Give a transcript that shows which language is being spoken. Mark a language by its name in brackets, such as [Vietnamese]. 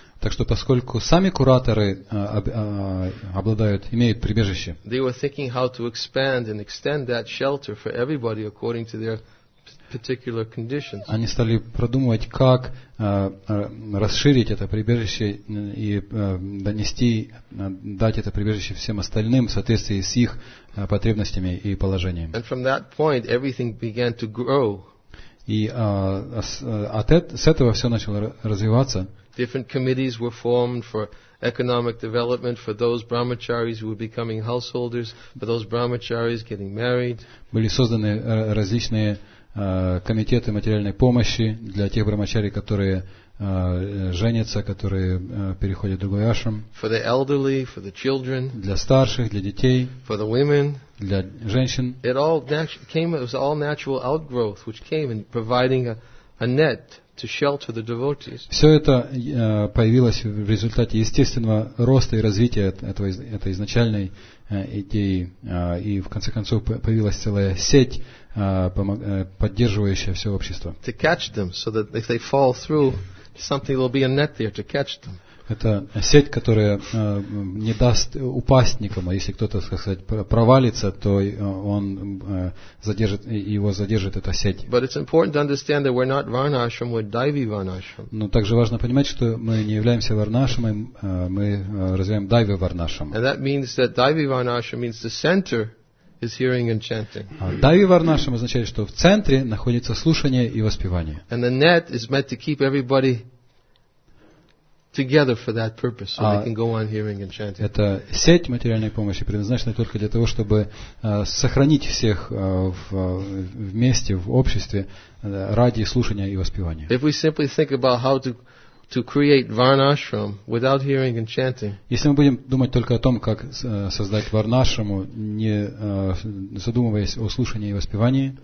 [Russian] Так что поскольку сами кураторы имеют прибежище. [English] They were thinking how to expand and extend that shelter for everybody according to their particular conditions. [Russian] Они стали продумывать, как расширить это прибежище и донести, дать это прибежище всем остальным в соответствии с их потребностями и положением. [English] And from that point, everything began to grow. [Russian] И с этого все начало развиваться. [English] Different committees were formed for economic development for those brahmacharis who were becoming householders, for those brahmacharis getting married. [Russian] Были созданы различные комитеты материальной помощи для тех брахмачари, которые женятся, которые переходят в другой ашрам. [English] For the elderly, for the children. [Russian] Для старших, для детей. [English] For the women. [Russian] Для женщин. [English] It all came. It was all natural outgrowth, which came in providing a net to shelter the devotees. [Russian] Все это появилось в результате естественного роста и развития этой изначальной идеи, и в конце концов появилась целая сеть, поддерживающая все общество. [English] To catch them, so that if they fall through, something will be a net there to catch them. [Russian] Это сеть, которая не даст упасть никому. Если кто-то, так сказать, провалится, то он задержит, его задержит эта сеть. [English] But it's important to understand that we're not Varnashram, we're Daivi Varnashram. [Russian] Но также важно понимать, что мы не являемся Варнашрамой, мы развиваем Дайви Варнашрам. [English] And that means that Daivi Varnashram means the center is hearing and chanting. [Russian] Дайви Варнашрам означает, что в центре находится слушание и воспевание. [English] And the net is meant to keep everybody together for that purpose, so they can go on hearing and chanting. [Russian] Это сеть материальной помощи, предназначена только для того, чтобы сохранить всех вместе в обществе ради слушания и воспевания. [English] If we simply think about how to create Varnashram without hearing and chanting. [Russian] Если мы будем думать только о том, как создать Варнашраму, не задумываясь о слушании и воспевании.